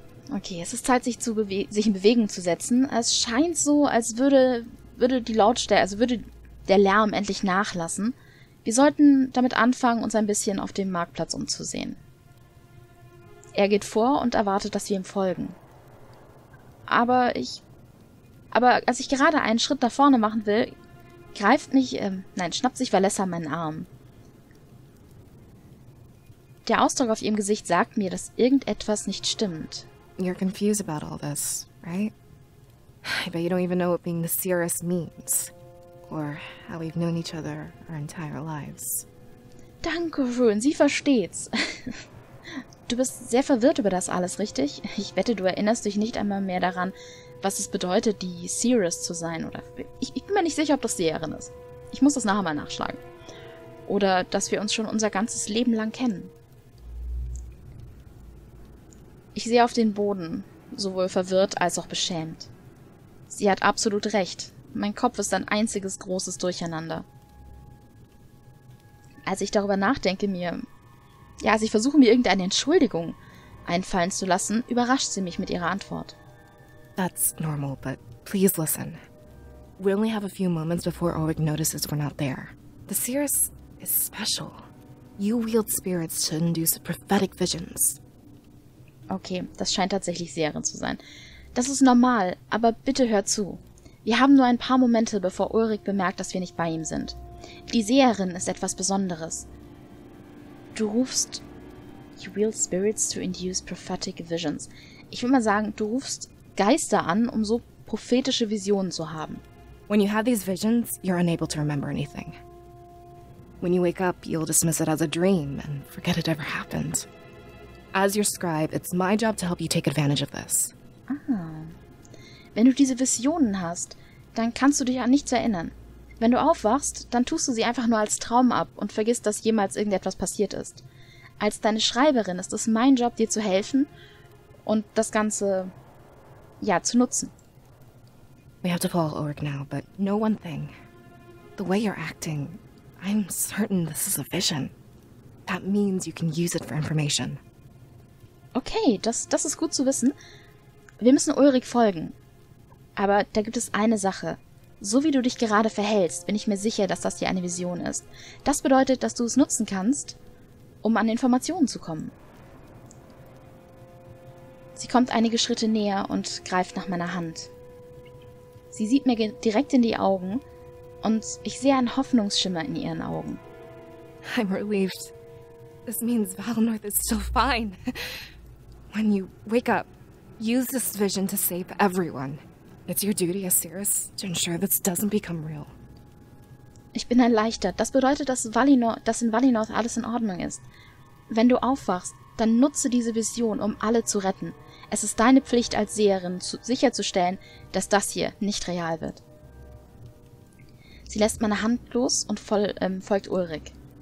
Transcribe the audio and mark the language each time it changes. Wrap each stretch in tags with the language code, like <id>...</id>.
<de>Okay, es ist Zeit, sich in Bewegung zu setzen. Es scheint so, als würde der Lärm endlich nachlassen. Wir sollten damit anfangen, uns ein bisschen auf dem Marktplatz umzusehen. Er geht vor und erwartet, dass wir ihm folgen. Aber als ich gerade einen Schritt nach vorne machen will, schnappt sich Valessa meinen Arm. Der Ausdruck auf ihrem Gesicht sagt mir, dass irgendetwas nicht stimmt.</de> <en>You're confused about all this, right? I bet you don't even know what being the Seeress means. Or how we've known each other our entire lives.</en> <de>Danke, Rune, sie versteht's. Du bist sehr verwirrt über das alles, richtig? Ich wette, du erinnerst dich nicht einmal mehr daran, was es bedeutet, die Seeress zu sein. Oder ich bin mir nicht sicher, ob das Seherin ist. Ich muss das nachher mal nachschlagen. Oder dass wir uns schon unser ganzes Leben lang kennen. Ich sehe auf den Boden, sowohl verwirrt als auch beschämt. Sie hat absolut recht. Mein Kopf ist ein einziges großes Durcheinander. Als ich darüber nachdenke, als ich versuche, mir irgendeine Entschuldigung einfallen zu lassen, überrascht sie mich mit ihrer Antwort.</de> <en>That's normal, but please listen. We only have a few moments before Oryk notices we're not there. The Seeress is special. You wield spirits to induce prophetic visions.</en> <de>Okay, das scheint tatsächlich Seherin zu sein. Das ist normal, aber bitte hör zu. Wir haben nur ein paar Momente, bevor Oryk bemerkt, dass wir nicht bei ihm sind. Die Seherin ist etwas Besonderes. Du rufst...</de> <en>You wield spirits to induce prophetic visions.</en> <de>Ich würde mal sagen, du rufst Geister an, um so prophetische Visionen zu haben.</de> <en>When you have these visions, you're unable to remember anything. When you wake up, you'll dismiss it as a dream and forget it ever happened. As your scribe, it's my job to help you take advantage of this. Ah.</en> <de>Wenn du diese Visionen hast, dann kannst du dich an nichts erinnern. Wenn du aufwachst, dann tust du sie einfach nur als Traum ab und vergisst, dass jemals irgendetwas passiert ist. Als deine Schreiberin ist es mein Job, dir zu helfen und das Ganze, ja, zu nutzen.</de> <en>We have to follow Oryk now, but no one thing. The way you're acting, I'm certain this is a vision. That means you can use it for information.</en> <de>Okay, das ist gut zu wissen. Wir müssen Oryk folgen. Aber da gibt es eine Sache. So wie du dich gerade verhältst, bin ich mir sicher, dass das hier eine Vision ist. Das bedeutet, dass du es nutzen kannst, um an Informationen zu kommen. Sie kommt einige Schritte näher und greift nach meiner Hand. Sie sieht mir direkt in die Augen und ich sehe einen Hoffnungsschimmer in ihren Augen.</de> <en>I'm relieved. This means Valenorth is still fine. When you wake up, use this vision to save everyone. It's your duty as Seeress to ensure this doesn't become real.</en> <de>Ich bin erleichtert. Das bedeutet, dass in Valinor alles in Ordnung ist. Wenn du aufwachst, dann nutze diese Vision, um alle zu retten. Es ist deine Pflicht als Seherin, sicherzustellen, dass das hier nicht real wird. Sie lässt meine Hand los und folgt Ulrik.</de>